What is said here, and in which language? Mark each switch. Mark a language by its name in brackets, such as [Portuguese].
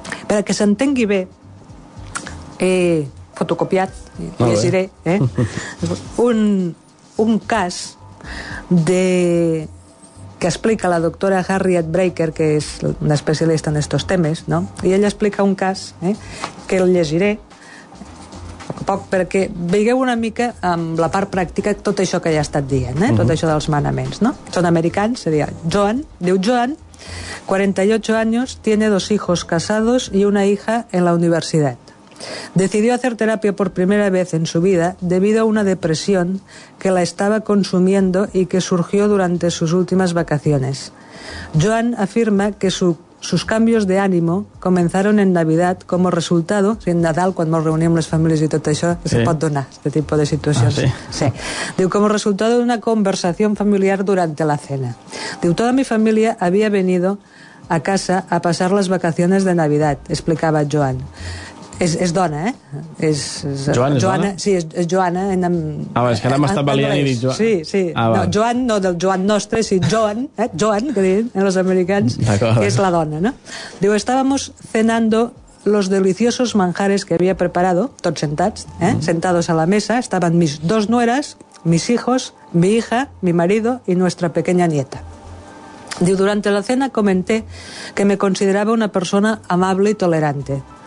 [Catalan] Per a que s'entengui bé, fotocopiat, llegiré, un cas de que explica la doctora Harriet Breaker, que és una especialista en aquests temes, no? I ella explica un cas, que el llegiré a poc, perquè vegueu una mica amb la part pràctica tot això que ja ha estat dient, tot això dels manaments, no? Són americans, seria Joan, diu Joan, [Spanish] 48 años, tiene dos hijos casados y una hija en la universidad. Decidió hacer terapia por primera vez en su vida debido a una depresión que la estaba consumiendo y que surgió durante sus últimas vacaciones. Joan afirma que sus cambios de ánimo comenzaron en Navidad como resultado, [Catalan] en Nadal, [Spanish] cuando nos reunimos las familias y todo eso, sí. Se puede donar este tipo de situaciones. Ah, sí. Sí. Digo, como resultado de una conversación familiar durante la cena. Digo, toda mi familia había venido a casa a pasar las vacaciones de Navidad, explicaba Joan. [Catalan] És dona, eh? Joana? Sí, és Joana. És que ara m'ha estat valiant i dic Joan. Sí, sí. Joan, no del Joan nostre, sí, Joan, Joan, que diuen en els americans, que és la dona, no? [Spanish] Diu, estábamos cenando los deliciosos manjares que había preparado, [Catalan] tots sentats, [Spanish] sentados a la mesa, estaban mis dos nueras, mis hijos, mi hija, mi marido y nuestra pequeña nieta. Diu, durante la cena comenté que me consideraba una persona amable y tolerante.